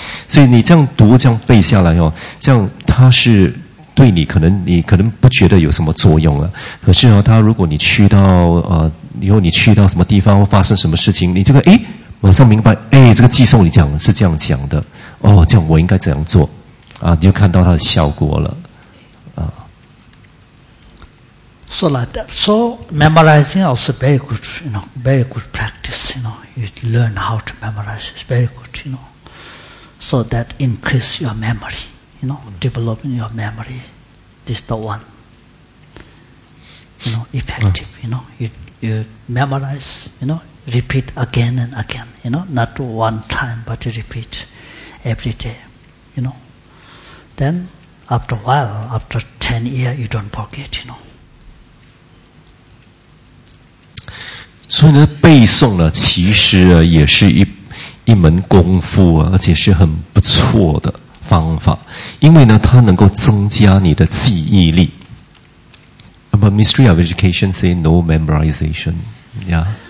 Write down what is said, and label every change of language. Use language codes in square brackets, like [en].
[zh] 所以你这样读这样背下来哦，这样它是对你可能不觉得有什么作用了。可是哦，它如果你去到以后你去到什么地方或发生什么事情，你这个诶马上明白，诶这个偈颂你讲是这样讲的。哦，这样我应该怎样做啊，你就看到它的效果了。 [en] So like that. So memorizing also very good, you know, very good practice, you know. You learn how to memorize, it's very good, you know. So that increase your memory, you know, developing your memory. This is the one, you know, effective, you know. You memorize, you know, repeat again and again, you know, not one time, but you repeat every day, you know. Then after a while, after 10 years, you don't forget, you know. [zh] 所以呢，背诵呢，其实也是一门功夫啊，而且是很不错的方法，因为呢，它能够增加你的记忆力。 [en] But Ministry of Education say no memorization, yeah.